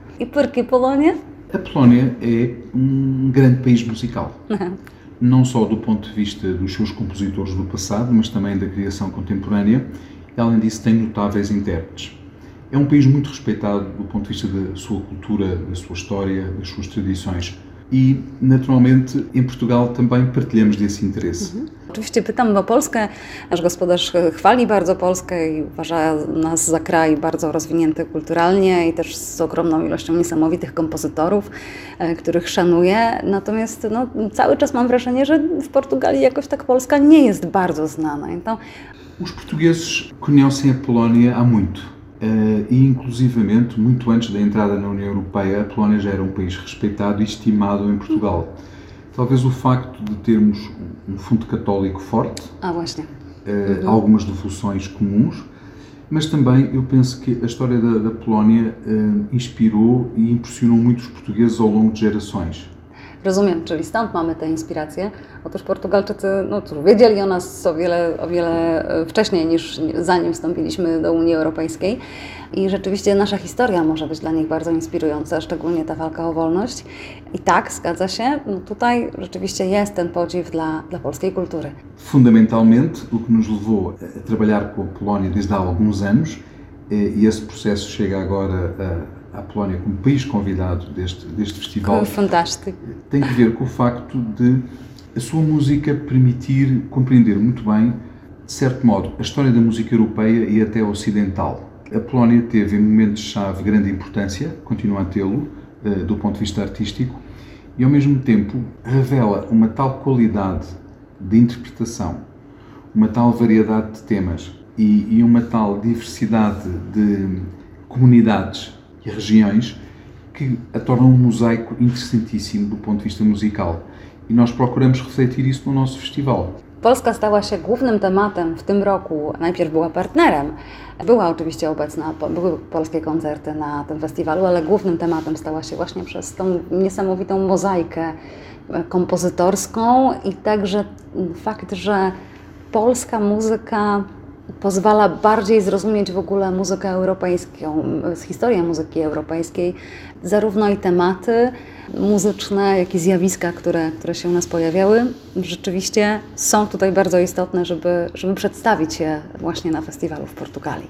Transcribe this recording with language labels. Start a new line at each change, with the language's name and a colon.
Portuguese: I porque Polonia? A Polónia é um grande país musical, não só do ponto de vista dos seus compositores do passado, mas também da criação contemporânea, e além disso tem notáveis intérpretes. É um país muito respeitado do ponto de vista da sua cultura, da sua história, das suas tradições. I naturalmente em Portugal também partilhamy desse interesse. Mhm.
Polish: Oczywiście pytam o Polskę. Nasz gospodarz chwali bardzo Polskę i uważa nas za kraj bardzo rozwinięty kulturalnie i też z ogromną ilością niesamowitych kompozytorów, których szanuję. Natomiast no, cały czas mam wrażenie, że w Portugalii jakoś tak Polska nie jest bardzo znana.
Portuguese: Então... Os portugueses conhecem a Polónia há muito. E, inclusivamente, muito antes da entrada na União Europeia, a Polónia já era um país respeitado e estimado em Portugal. Talvez o facto de termos um fundo católico forte, algumas devoções comuns, mas também eu penso que a história da Polónia inspirou e impressionou muito os portugueses ao longo de gerações.
Polish: Rozumiem, czyli stąd mamy tę inspirację. Otóż Portugalczycy no, wiedzieli o nas o wiele wcześniej, niż zanim wstąpiliśmy do Unii Europejskiej. I rzeczywiście nasza historia może być dla nich bardzo inspirująca, szczególnie ta walka o wolność. I tak, zgadza się, no, tutaj rzeczywiście jest ten podziw dla polskiej kultury.
Portuguese: Fundamentalmente, o que nos levou a trabalhar com a Polónia desde há alguns anos, e esse processo chega agora a Polónia como país convidado deste festival. Que fantástico. Tem que ver com o facto de a sua música permitir compreender muito bem, de certo modo, a história da música europeia e até ocidental. A Polónia teve em momentos-chave grande importância, continua a tê-lo, do ponto de vista artístico, e ao mesmo tempo revela uma tal qualidade de interpretação, uma tal variedade de temas e uma tal diversidade de comunidades e regiões, que a tornam um mosaico interessantíssimo do ponto de vista musical. E nós procuramos refletir isso no nosso festival.
Polish: Polska stała się głównym tematem w tym roku. Najpierw była partnerem. Była oczywiście obecna, były polskie koncerty na tym festiwalu, ale głównym tematem stała się właśnie przez tą niesamowitą mozaikę kompozytorską i także fakt, że polska muzyka pozwala bardziej zrozumieć w ogóle muzykę europejską, historię muzyki europejskiej, zarówno i tematy muzyczne, jak i zjawiska, które się u nas pojawiały, rzeczywiście są tutaj bardzo istotne, żeby przedstawić je właśnie na festiwalu w Portugalii.